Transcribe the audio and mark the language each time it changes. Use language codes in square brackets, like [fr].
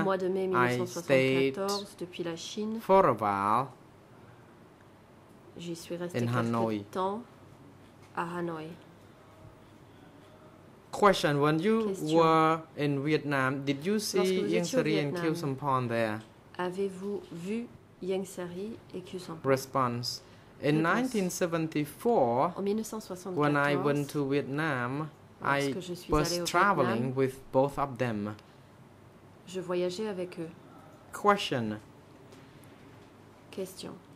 [fr] Au mois de mai 1974, [en] I stayed [fr] depuis la Chine. [en] For a while. [fr] J'y suis resté quelque temps à Hanoï. [en] Question: when you [fr] Question. [en] Were in Vietnam, did you see Ieng Seri and Khieu Somphone there? [fr] Avez-vous vu Ieng Seri et Khieu Somphone? [en] Response: in 1974, when I went to Vietnam, I was traveling with both of them. [fr] Je voyageais avec eux. [en] Question: [fr] Question.